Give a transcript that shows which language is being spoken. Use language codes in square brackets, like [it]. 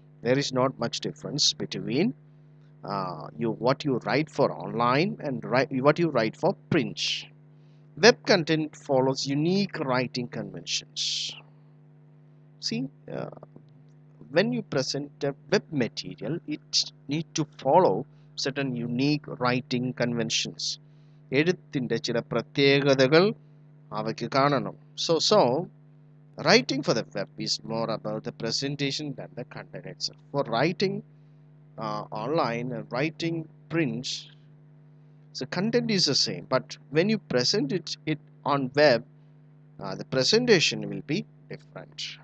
[en] There is not much difference between what you write for online and what you write for print. Web content follows unique writing conventions. See, when you present a web material, it need to follow certain unique writing conventions. [ml] എഴുത്തിൻ്റെ ചില പ്രത്യേകതകൾ അവയ്ക്ക് കാണണം. [en] So writing for the web is more about the presentation than the content itself. For writing online and writing print, so content is the same, but when you present it on web, the presentation will be different.